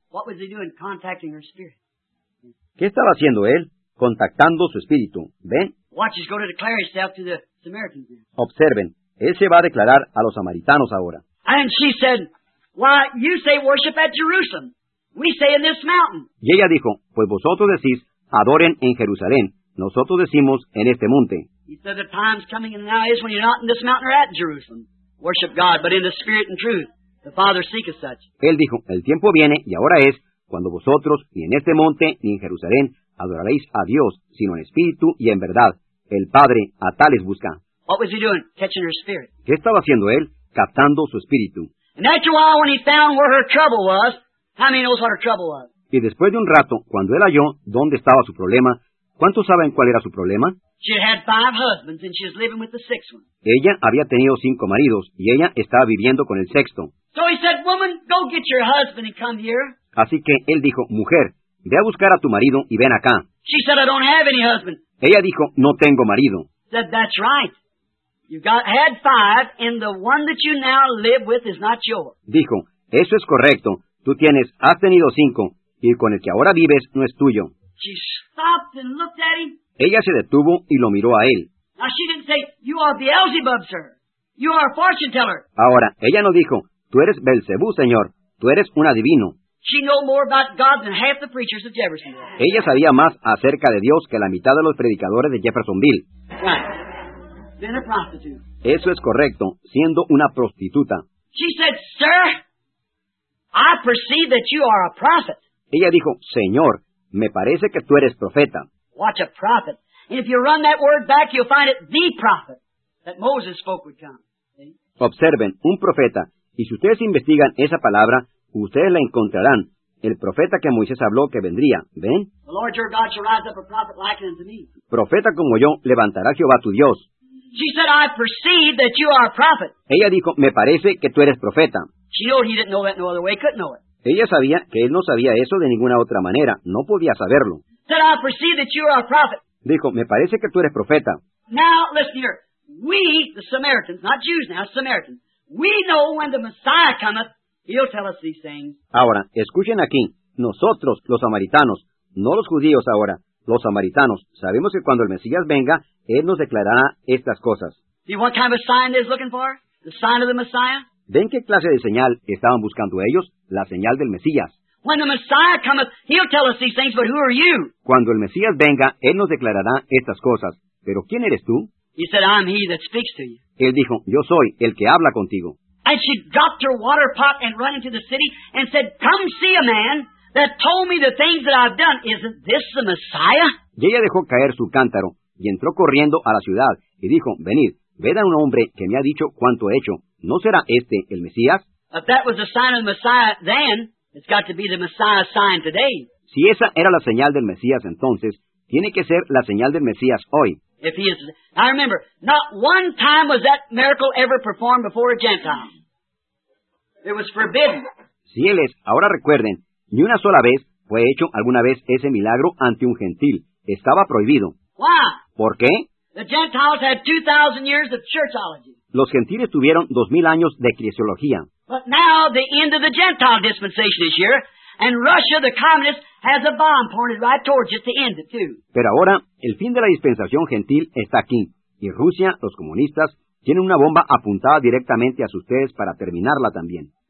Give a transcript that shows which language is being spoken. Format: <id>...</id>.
<en>What was he doing contacting her spirit?</en> <es>¿Qué estaba haciendo él? Contactando su espíritu. Ven.</es> <en>Watch, he's going to declare himself to the Samaritans.</en> <es>Observen, él se va a declarar a los samaritanos ahora.</es> <en>And she said, why, you say worship at Jerusalem. We say in this mountain.</en> <es>Y ella dijo, pues vosotros decís, adoren en Jerusalén. Nosotros decimos en este monte.</es> <en>He said, the time's coming and now is when you're not in this mountain or at Jerusalem. Worship God, but in the spirit and truth. The Father seeketh such.</en> <es>Él dijo, el tiempo viene y ahora es cuando vosotros, ni en este monte ni en Jerusalén, adoraréis a Dios, sino en espíritu y en verdad. El Padre a tales busca.</es> <en>What was he doing? Catching her spirit.</en> <es>¿Qué estaba haciendo él? Captando su espíritu.</es> <en>And after a while, when he found where her trouble was, how many knows what her trouble was?</en> <es>Y después de un rato, cuando él halló dónde estaba su problema, ¿cuántos saben cuál era su problema?</es> <en>She had 5 husbands and she was living with the 6th one.</en> <es>Ella había tenido 5 maridos y ella estaba viviendo con el 6th.</es> <en>So he said, woman, go get your husband and come here.</en> <es>Así que él dijo, mujer, ve a buscar a tu marido y ven acá.</es> <en>She said, I don't have any husband.</en> <es>Ella dijo, no tengo marido.</es> <en>He said, that's right. You've got, had 5, and the one that you now live with is not yours.</en> <es>Dijo, eso es correcto. Tú tienes, has tenido 5, y con el que ahora vives no es tuyo.</es> <en>She stopped and looked at him.</en> <es>Ella se detuvo y lo miró a él.</es> <en>Now she didn't say, you are Beelzebub, sir. You are a fortune teller.</en> <es>Ahora, ella no dijo, tú eres Belzebú, señor. Tú eres un adivino.</es> <en>She knew more about God than half the preachers of Jeffersonville.</en> <es>Ella sabía más acerca de Dios que la mitad de los predicadores de Jeffersonville.</es> <en>Right. Been a prostitute.</en> <es>Eso es correcto, siendo una prostituta.</es> <en>She said, sir, I perceive that you are a prophet.</en> <es>Ella dijo, señor, me parece que tú eres profeta.</es> <en>Watch a prophet. And if you run that word back, you'll find it the prophet that Moses spoke would come. See?</en> <es>Observen, un profeta. Y si ustedes investigan esa palabra, ustedes la encontrarán. El profeta que Moisés habló que vendría. ¿Ven?</es> <en>The Lord your God shall rise up a prophet like unto me.</en> <es>Profeta como yo levantará Jehová tu Dios.</es> <en>She said, I perceive that you are a prophet.</en> <es>Ella dijo, me parece que tú eres profeta.</es> <en>She knew he didn't know that no other way, couldn't know it.</en> <es>Ella sabía que él no sabía eso de ninguna otra manera, no podía saberlo.</es> <en>Said, I perceive that you are a prophet.</en> <es>Dijo, me parece que tú eres profeta.</es> <en>Now, listen here. We, the Samaritans, not Jews now, Samaritans, we know when the Messiah cometh, he'll tell us these things.</en> <es>Ahora, escuchen aquí. Nosotros, los samaritanos, no los judíos ahora, los samaritanos, sabemos que cuando el Mesías venga, Él nos declarará estas cosas.</es> <en>See what kind of sign they're looking for? The sign of the Messiah?</en> <es>¿Ven qué clase de señal estaban buscando ellos? La señal del Mesías.</es> <en>When the Messiah cometh, he'll tell us these things, but who are you?</en> <es>Cuando el Mesías venga, Él nos declarará estas cosas. ¿Pero quién eres tú?</es> <en>He said, I'm he that speaks to you.</en> <es>Él dijo, yo soy el que habla contigo.</es> <en>And she dropped her water pot and ran into the city and said, come see a man that told me the things that I've done. Isn't this the Messiah?</en> <es>Y ella dejó caer su cántaro y entró corriendo a la ciudad y dijo, venid, ved a un hombre que me ha dicho cuánto he hecho. ¿No será este el Mesías?</es> <en>If that was the sign of the Messiah then, it's got to be the Messiah's sign today.</en> <es>Si esa era la señal del Mesías entonces, tiene que ser la señal del Mesías hoy.</es> <en>If he is, I remember, not one time was that miracle ever performed before a Gentile. It was forbidden.</en> <es>Si él es, ahora recuerden, ni una sola vez fue hecho alguna vez ese milagro ante un gentil. Estaba prohibido.</es> <en>Why?</en> <es>¿Por qué?</es> <en>The Gentiles had 2,000 years of churchology.</en> <es>Los gentiles tuvieron 2,000 años de eclesiología.</es> <en>But now the end of the Gentile dispensation is here, and Russia, the communist, has a bomb pointed right towards it to end it too.</en> <es>Pero ahora, el fin de la dispensación gentil está aquí, y Rusia, los comunistas, Tiene una bomba apuntada directamente hacia ustedes para terminarla también.</es>